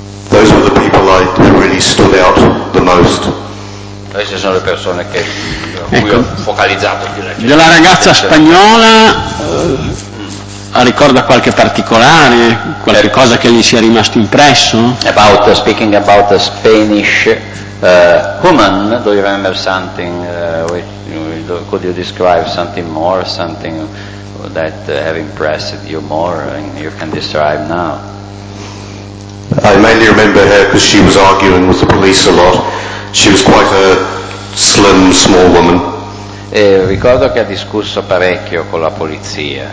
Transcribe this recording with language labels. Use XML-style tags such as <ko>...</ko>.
<en>Those were the people I really stood out the most.</en> <it>Queste sono le persone che ecco. Cui ho focalizzato più la della ragazza spagnola ricorda qualche particolare, qualche cosa che gli sia rimasto impresso?</it> <en>About speaking about a Spanish woman, do you remember something? Could you describe something more, something that have impressed you more and you can describe now? I mainly remember her because she was arguing with the police a lot. She was quite a slim, small woman.</en> <it>E ricordo che ha discusso parecchio con la polizia.</it>